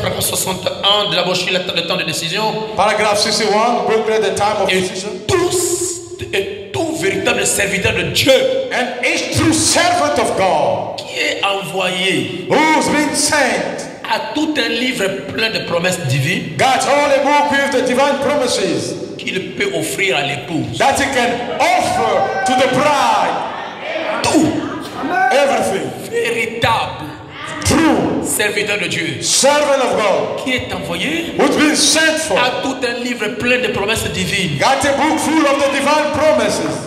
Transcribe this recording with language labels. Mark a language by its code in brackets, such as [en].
[fr] Paragraphe 61 de la brochure le temps de décision. [en] Paragraph 61, booklet the time of decision. [fr] Et tout véritable serviteur de Dieu. [en] And each true servant of God. [fr] Qui est envoyé? [en] Who's been sent? [fr] À tout un livre plein de promesses divines. [en] Got all the book with the divine promises. [fr] Qu'il peut offrir à l'épouse. [en] That he can offer to the bride. [fr] Tout. [en] Amen. Everything. [fr] Véritable. [en] True. [fr] Serviteur de Dieu. [en] Servant of God. [fr] Qui est envoyé. [en] Who's been sent for. [fr] À tout un livre plein de promesses divines. [en] Got a book full of the divine promises.